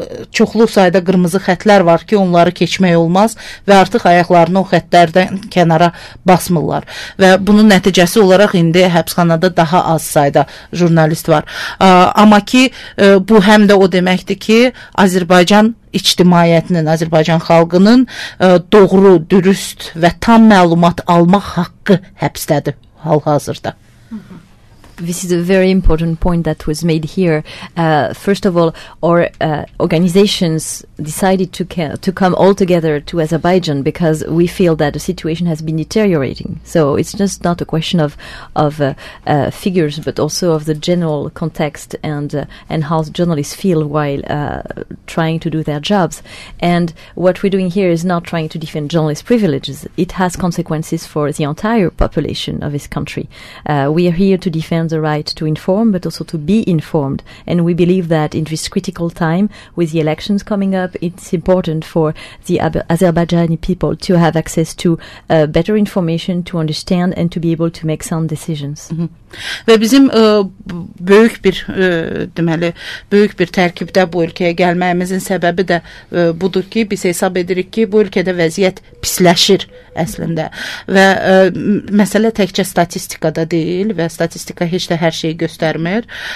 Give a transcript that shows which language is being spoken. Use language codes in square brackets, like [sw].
[az] çoxlu sayda qırmızı xətlər var ki, onları keçmək olmaz və artıq ayaqlarını o xətlərdən kənara basmırlar və bunun nəticəsi olaraq indi həbsxanada daha az sayda jurnalist var. Amma ki, bu həm də o deməkdir ki, Azərbaycan ictimaiyyətinin, Azərbaycan xalqının doğru, dürüst və tam məlumat almaq haqqı həbsdədir hal-hazırda. [en] This is a very important point that was made here. First of all, our organizations decided to come all together to Azerbaijan because we feel that the situation has been deteriorating. So it's just not a question of figures, but also of the general context and how journalists feel while trying to do their jobs. And what we're doing here is not trying to defend journalists' privileges. It has consequences for the entire population of this country. We are here to defend the right to inform, but also to be informed. And we believe that in this critical time, with the elections coming up, it's important for the Azerbaijani people to have access to better information, to understand and to be able to make sound decisions. Mm-hmm. [az] Və bizim böyük bir deməli böyük bir tərkibdə bu ölkəyə gəlməyimizin səbəbi də budur ki, biz hesab edirik ki, bu ölkədə vəziyyət pisləşir əslində. Və məsələ təkcə statistikada deyil və statistika heç də hər şeyi göstərmir.